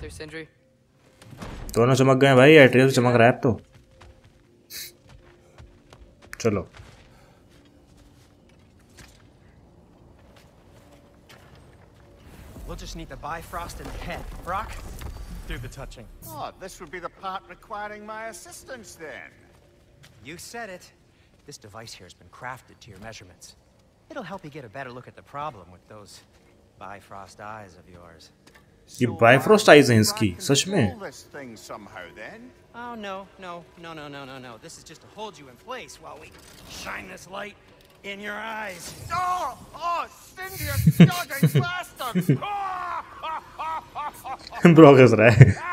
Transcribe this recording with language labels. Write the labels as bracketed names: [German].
[Hindi] दोनों चमक गए भाई, एट्रियस भी चमक रहा है अब तो। [English] चलो we'll just need the bifrost in the head. Brock, do the touching. Oh, this would be the part requiring my assistance then. You said it. This device here has been crafted to your measurements. It'll help you get a better look at the problem with those Bifrost eyes of yours. [Hindi] ये Bifrost eyes हैं इसकी सच में? [English] Oh no. This is just to hold you in place while we shine this light in your eyes. Oh, Cindy, you're struggling faster. Progress, right?